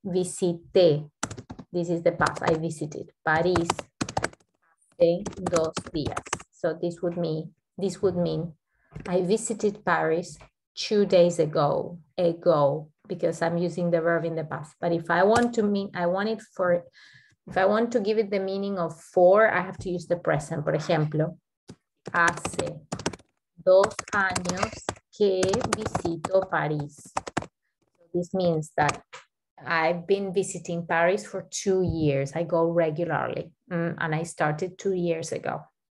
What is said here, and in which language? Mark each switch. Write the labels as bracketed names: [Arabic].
[English] Visité. This is the past. I visited Paris [Spanish] hace dos días. [English] So this would mean I visited Paris 2 days ago, because I'm using the verb in the past. But if I want to mean, I want it for, if I want to give it the meaning of for, I have to use the present. [Spanish] Por ejemplo, hace dos años que visito Paris. [English] So this means that I've been visiting Paris for 2 years. I go regularly and I started 2 years ago.